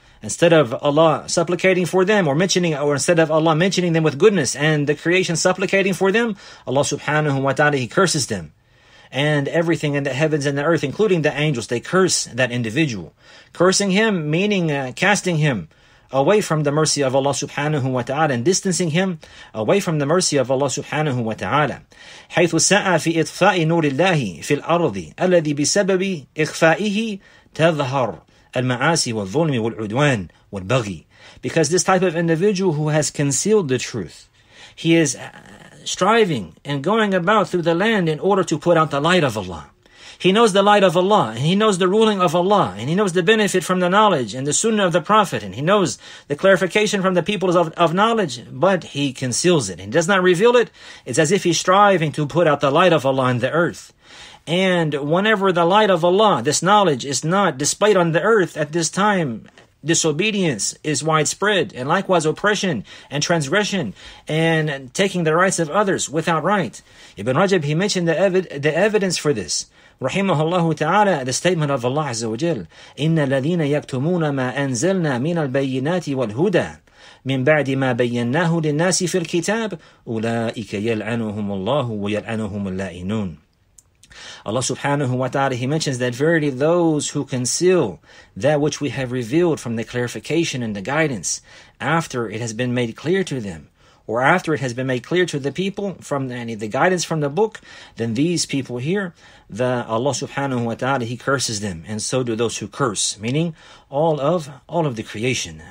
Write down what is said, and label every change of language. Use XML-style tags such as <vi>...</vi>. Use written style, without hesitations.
<en>Instead of Allah supplicating for them instead of Allah mentioning them with goodness and the creation supplicating for them, Allah subhanahu wa ta'ala, he curses them. And everything in the heavens and the earth, including the angels, they curse that individual. Cursing him, meaning casting him away from the mercy of Allah subhanahu wa ta'ala and distancing him away from the mercy of Allah subhanahu wa ta'ala.</en> <ar>حيث سعى في إطفاء نور الله في الأرض الذي بسبب إخفائه تظهر المعاسي والظلم والعدوان والبغي.</ar> <en>Because this type of individual who has concealed the truth, he is striving and going about through the land in order to put out the light of Allah. He knows the light of Allah, and he knows the ruling of Allah, and he knows the benefit from the knowledge and the sunnah of the Prophet, and he knows the clarification from the people of knowledge, but he conceals it. He does not reveal it. It's as if he's striving to put out the light of Allah in the earth. And whenever the light of Allah, this knowledge, is not displayed on the earth at this time, disobedience is widespread, and likewise oppression and transgression and taking the rights of others without right. Ibn Rajab, he mentioned the evidence for this.</en> <ar>Rahimahullahu ta'ala,</ar> <en>the statement of Allah Azza wa Jal,</en> <ar>إِنَّ الَّذِينَ يَكْتُمُونَ مَا أَنزَلْنَا مِنَ الْبَيِّنَاتِ وَالْهُدَى مِنْ بَعْدِ مَا بَيَّنَّاهُ لِلنَّاسِ فِي الْكِتَابِ أُولَٰئِكَ يَلْعَنُهُمُ اللَّهُ وَيَلْعَنُهُمُ اللَّائِنُونَ.</ar> <en>Allah subhanahu wa ta'ala, he mentions that verily those who conceal that which we have revealed from the clarification and the guidance after it has been made clear to them, or after it has been made clear to the people from the guidance from the book, then these people here, the Allah subhanahu wa ta'ala, he curses them, and so do those who curse, meaning all of the creation.</en>